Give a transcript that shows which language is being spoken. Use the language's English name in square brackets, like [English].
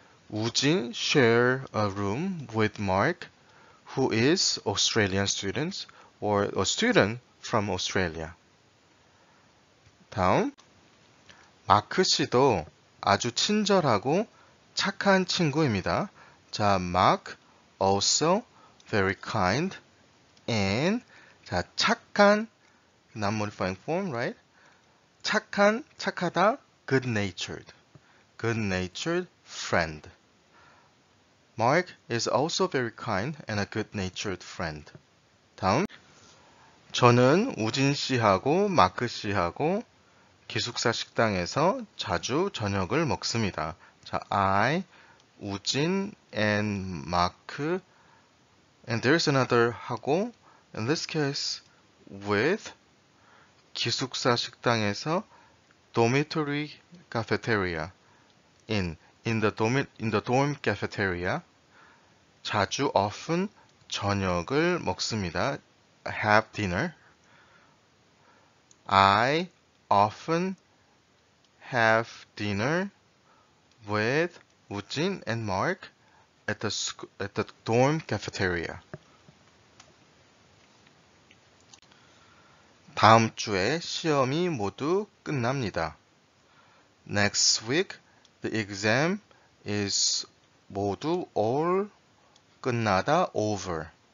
[English] 우진 share a room with Mark, who is Australian students or a student from Australia. [Korean] 다음. 마크 씨도 아주 친절하고 착한 친구입니다. [English] 자, Mark also very kind and 자, 착한 non-modifying form, right? 착한, 착하다, good-natured. Good-natured friend. Mark is also very kind and a good-natured friend. [Korean] 다음. 저는 우진 씨하고 마크 씨하고 기숙사 식당에서 자주 저녁을 먹습니다. [English] 자, I, 우진, and Mark, and there's another 하고, in this case, with, [Korean] 기숙사 식당에서 [English] dormitory cafeteria, in the dorm cafeteria, [Korean] 자주 [English] often [Korean] 저녁을 먹습니다. [English] Have dinner. I often have dinner with 우진 and Mark at the dorm cafeteria. [Korean] 다음 주에 시험이 모두 끝납니다. [English] Next week, the exam is 모두 all 끝나다 over.